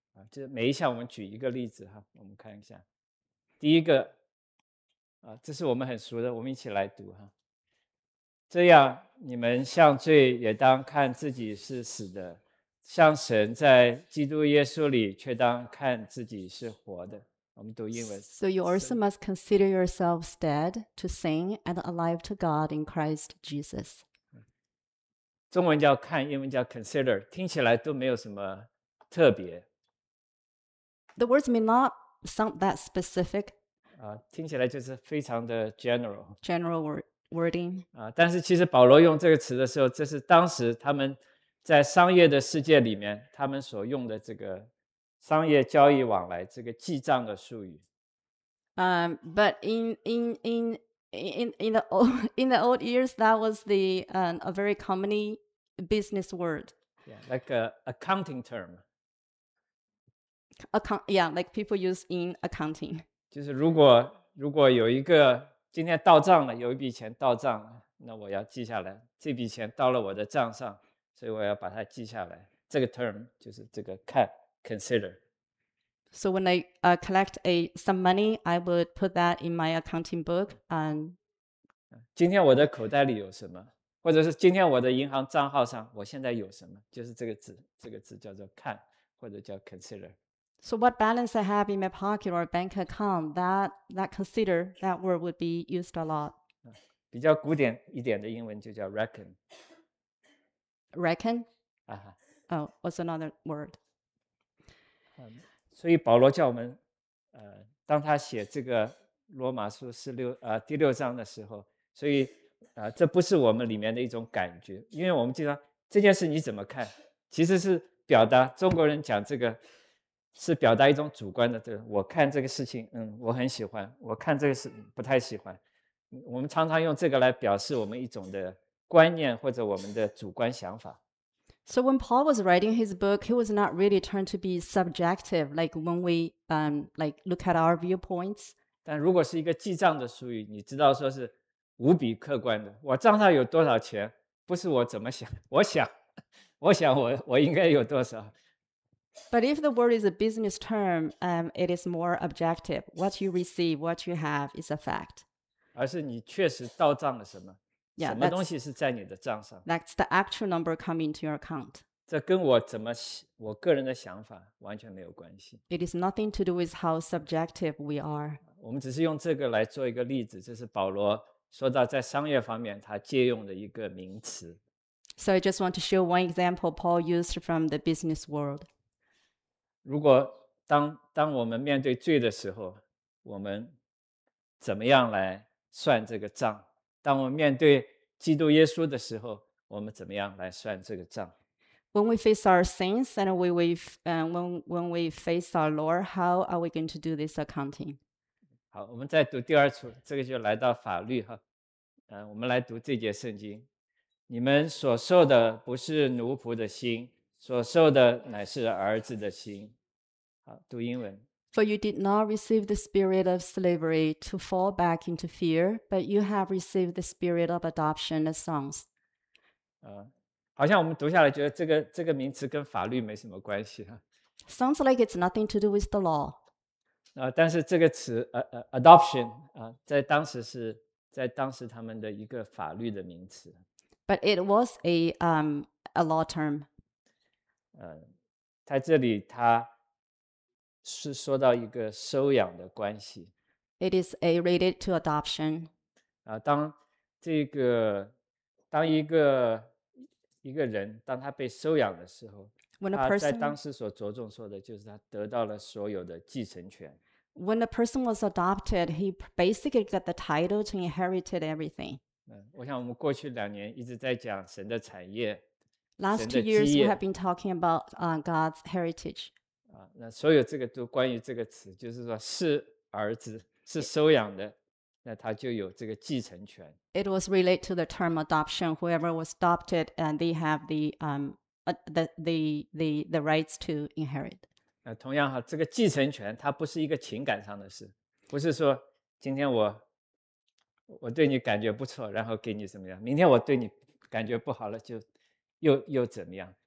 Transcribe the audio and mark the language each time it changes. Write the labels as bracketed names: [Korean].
[Chinese] 就每一项我们举一个例子哈，我们看一下。第一个，这是我们很熟的，我们一起来读哈。这样，你们向罪也当看自己是死的，向神在基督耶稣里却当看自己是活的。我们读英文。 [English] So you also must consider yourselves dead to sin and alive to God in Christ Jesus. [Chinese] 中文叫看，英文叫 consider， 听起来都没有什么特别。 [English] The words may not sound that specific. [Chinese] 听起来就是非常的 [English] general. General wording. [Chinese] 但是其实保罗用这个词的时候，这是当时他们在商业的世界里面，他们所用的这个商业交易往来这个记账的术语。 [English] But in the old years, that was the a very common business word. Yeah, like a accounting term. Like people use in accounting. [Chinese] 就是如果有一个今天到账了，有一笔钱到账，那我要记下来。这笔钱到了我的账上，所以我要把它记下来。这个 term 就是这个看 consider. [English] So when I collect some money, I would put that in my accounting book. And [Chinese] 今天我的口袋里有什么，或者是今天我的银行账号上我现在有什么，就是这个字叫做看，或者叫 consider. [English] So what balance I have in my pocket or bank account, that consider, that word would be used a lot. [Chinese] 比较古典一点的英文就叫 reckon. [English] Reckon? What's another word? [Chinese] 所以保罗叫我们，当他写这个罗马书第六章的时候，所以这不是我们里面的一种感觉，因为我们经常这件事你怎么看，其实是表达中国人讲这个是表达一种主观的，对，我看这个事情，我很喜欢；我看这个事不太喜欢。我们常常用这个来表示我们一种的观念或者我们的主观想法。 [English] So when Paul was writing his book, he was not really trying to be subjective, like when we look at our viewpoints. [Chinese] 但如果是一个记账的术语，你知道说是无比客观的。我账上有多少钱，不是我怎么想，我想我应该有多少。 [English] But if the word is a business term, it is more objective. What you receive, what you have is a fact. [Chinese] 而是你确实到账了什么？ [English] Yeah, [Chinese] 什么东西是在你的账上？ [English] That's the actual number coming to your account. [Chinese] 这跟我怎么，我个人的想法完全没有关系。 [English] It is nothing to do with how subjective we are. [Chinese] 我们只是用这个来做一个例子，这是保罗说到在商业方面他借用的一个名词。 [English] So I just want to show one example Paul used from the business world. [Chinese] 如果 当我们面对罪的时候，我们怎么样来算这个账？当我们面对基督耶稣的时候，我们怎么样来算这个账？ [English] When we face our sins and when we face our Lord, how are we going to do this accounting? [Chinese] 好，我们再读第二处，这个就来到法律哈。我们来读这节圣经。你们所受的不是奴仆的心，所受的乃是儿子的心。好，读英文。 [English] For you did not receive the spirit of slavery to fall back into fear, but you have received the spirit of adoption as sons. [Chinese] 好像我们读下来觉得这个名词跟法律没什么关系。 [English] Sounds like it's nothing to do with the law. [Chinese] 但是这个词 adoption, 在当时是在当时他们的一个法律的名词。 [English] But it was a law term. [Chinese] 在这里他是说到一个收养的关系。 [English] It is a related to adoption. [Chinese] 当一个人当他被收养的时候， [English] when a person, [Chinese] 他在当时所着重说的就是他得到了所有的继承权。 [English] When a person was adopted, he basically got the title to inherit everything. [Chinese] 我想我们过去两年一直在讲神的产业。 [English] Last [Chinese] 神的基业。 [English] 2 years we have been talking about God's heritage. [Chinese] 那所有这个都关于这个词，就是说是儿子，是收养的，那他就有这个继承权。 [English] It was related to the term adoption. Whoever was adopted, and they have the rights to inherit. [Chinese] 同样哈，这个继承权它不是一个情感上的事，不是说今天我对你感觉不错，然后给你怎么样，明天我对你感觉不好了，就又怎么样。